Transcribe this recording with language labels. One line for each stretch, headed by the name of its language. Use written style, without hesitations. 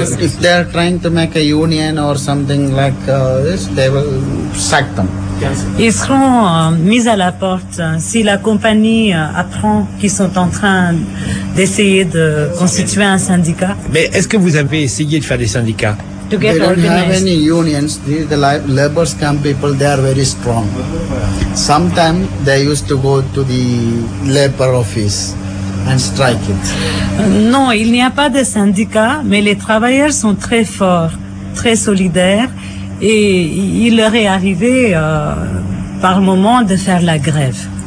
English: If they are trying to make a union or something like this, they will sack them.
French: Ils seront mis à la porte si la compagnie apprend qu'ils sont en train d'essayer de constituer un syndicat. Mais est-ce que vous avez essayé de faire des syndicats?
English: They don't have any unions. The labor camp people, they are very strong. Sometimes they used to go to the labor office and strike it.
French: Non, il n'y a pas de syndicat, mais les travailleurs sont très forts, très solidaires, et il leur est arrivé par moment de faire la grève.